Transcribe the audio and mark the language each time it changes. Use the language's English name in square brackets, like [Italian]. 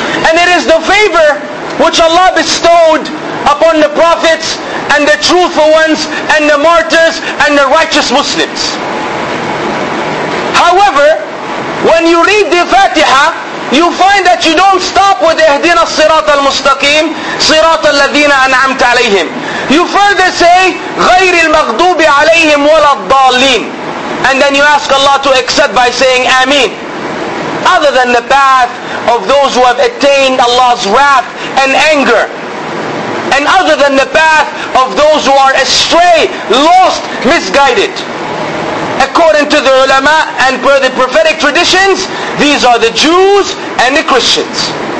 [English] And it is the favor which Allah bestowed upon the prophets and the truthful ones and the martyrs and the righteous Muslims. However, when you read the Fatiha, you find that you don't stop with [Arabic] اهدنا الصراط المستقيم صراط الذين أنعمت عليهم. [English] You further say [Arabic] غير المغضوب عليهم ولا الضالين. [English] And then you ask Allah to accept by saying Ameen. Other than the path of those who have attained Allah's wrath and anger. and other than the path of those who are astray, lost, misguided. According to the ulama and per the prophetic traditions, these are the Jews and the Christians.